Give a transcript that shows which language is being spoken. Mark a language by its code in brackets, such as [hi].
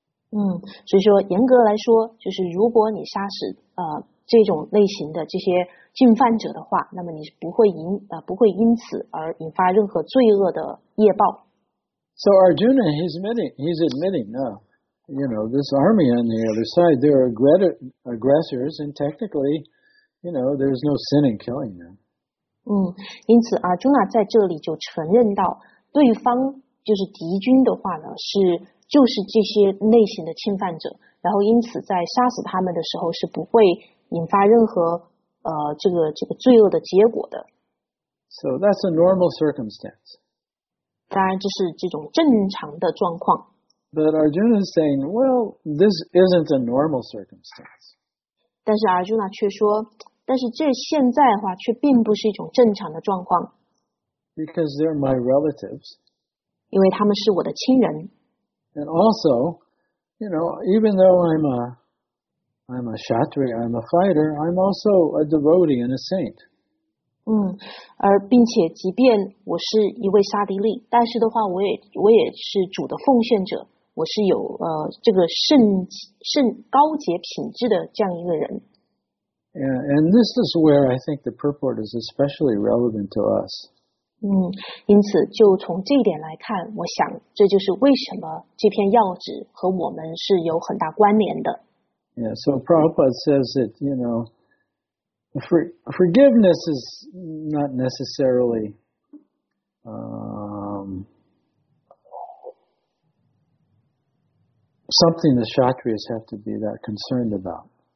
[zh] 所以说严格来说，就是如果你杀死这种类型的这些侵犯者的话，那么你不会因此而引发任何罪恶的业报。 [en] So Arjuna, he's admitting, you know, this army on the other side, they're aggressors, and technically, you know, there's no sin in killing them. [zh] 因此阿朱娜在这里就承认到对方就是敌军的话呢，是就是这些类型的侵犯者，然后因此在杀死他们的时候是不会引发任何这个罪恶的结果的。 [en] So that's a normal circumstance. [zh] 当然这是这种正常的状况。 [en] But Arjuna is saying, well, this isn't a normal circumstance. [zh] 但是阿朱娜却说但是这现在的话却并不是一种正常的状况。 [en] Because they're my relatives. [zh] 因为他们是我的亲人。 [en] And also, you know, even though I'm a Kshatriya, I'm a fighter, I'm also a devotee and a saint. [zh] 而并且即便我是一位刹帝利，但是的话我也是主的奉献者，我是有这个圣高洁品质的这样一个人。 [en] And this is where I think the purport is especially relevant to us. [zh] 因此就从这一点来看，我想这就是为什么这篇要旨和我们是有很大关联的。 [en] Yeah, so Prabhupada says that, you know, forgiveness is not necessarily, something the Kshatriyas have to be that concerned about.